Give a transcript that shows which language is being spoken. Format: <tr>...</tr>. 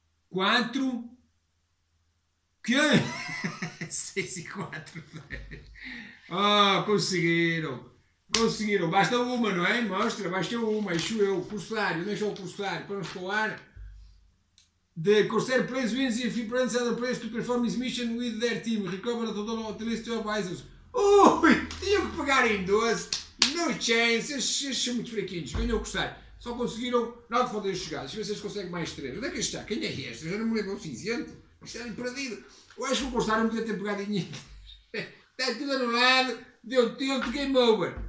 <pt>4. Quê? 6 e 4, 10. Ah, conseguiram. Conseguiram, basta uma, não é? Mostra, basta uma, isso eu, Corsário, deixa o Corsário, para nos falar.</pt> <en>The Corsair plays wins if he prevents other players to perform his mission with their team. Recover the total of 3 advisors.</en> <pt>Ui, tinham que pagar em 12.</pt> <en>No chance,</en> <pt>estes são muito fraquinhos, ganhou o Corsário. Só conseguiram, não de fazer as jogadas, deixa eu ver se eles conseguem mais 3. Onde é que está? Quem é este? Eu já não me lembro o suficiente. Isto era perdido. Eu acho que o Corsário não podia ter pegado em ninguém. Está tudo anulado. Deu tilt,</pt> <en>game over.</en>